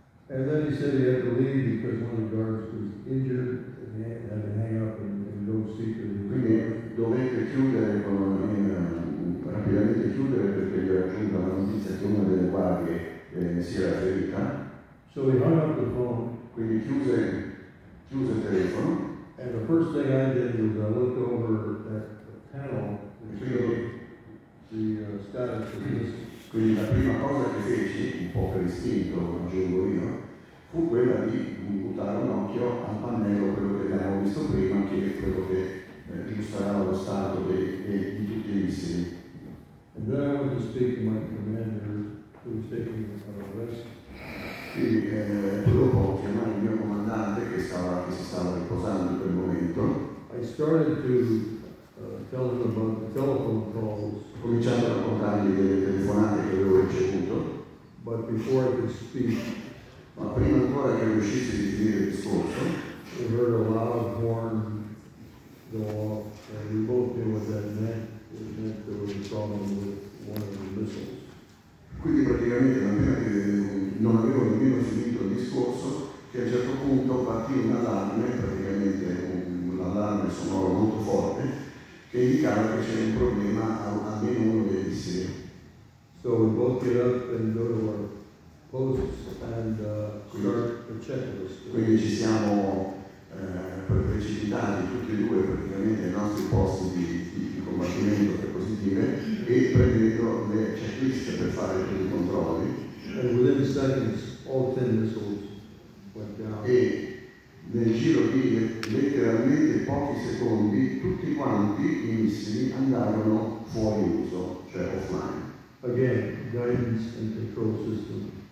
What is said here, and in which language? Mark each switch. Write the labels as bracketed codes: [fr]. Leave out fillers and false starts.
[en] And then he said he had to leave because one of the guards was injured and he had to hang up and go see the room. [it] Quindi dovete chiudere rapidamente chiudere perché gli ho aggiunto la notizia che una delle guardie si era ferita. [en] So he hung up the phone. [it] Quindi chiuse il telefono. [en] And the first thing I did was I looked over at the panel and showed the status of this. [it] Quindi la prima cosa che feci, un po' per istinto, aggiungo io, fu quella di buttare un occhio al pannello, quello che avevamo visto prima, che è quello che illustrava lo stato di tutti i missili. [en] And then I went to speak to my commander, who was taking me out of rest. [it] Quindi dopo chiamai il mio comandante, che si stava riposando in quel momento. [en] I started to tell them about the telephone calls. [it] Ho cominciato a raccontargli delle telefonate che avevo ricevuto. [en] But before I could speak, [it] ma prima ancora che riuscissi di finire il discorso, [en] we heard a loud horn go off, and we both knew what that meant. It meant there was a problem with one of the missiles. [it] Quindi praticamente la mia, non avevo nemmeno finito il discorso, che a un certo punto partì un allarme, praticamente un allarme sonoro molto forte, che indicava che c'era un problema almeno uno dei missili. [en] So we both get up and go to our posts and start the checklist. [it] Quindi ci siamo precipitati tutti e due praticamente ai nostri posti di combattimento, per così dire, e prendendo le checklist per fare tutti i controlli. [en] And within seconds, all 10 missiles went down. [it] E nel giro di letteralmente pochi secondi tutti quanti i missili andarono fuori uso, cioè offline. [en] Again, guidance and control system.